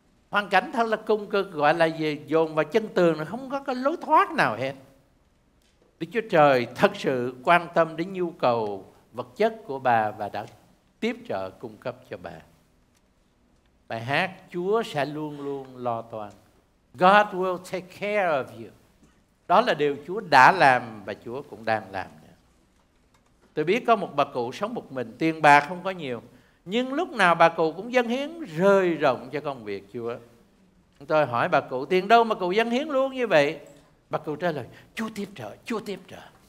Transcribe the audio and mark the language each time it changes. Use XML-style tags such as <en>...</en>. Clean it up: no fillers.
<vi>Hoàn cảnh thật là cung cực, gọi là gì, dồn vào chân tường, không có cái lối thoát nào hết. Đức Chúa Trời thật sự quan tâm đến nhu cầu vật chất của bà và đã tiếp trợ cung cấp cho bà. Bài hát Chúa sẽ luôn luôn lo toan.</vi> <en>God will take care of you.</en> <vi>Đó là điều Chúa đã làm và Chúa cũng đang làm. Tôi biết có một bà cụ sống một mình, tiền bạc không có nhiều. Nhưng lúc nào bà cụ cũng dâng hiến rơi rộng cho công việc Chúa. Tôi hỏi bà cụ, tiền đâu mà cụ dâng hiến luôn như vậy? Bà cụ trả lời, Chúa tiếp trợ, Chúa tiếp trợ.</vi>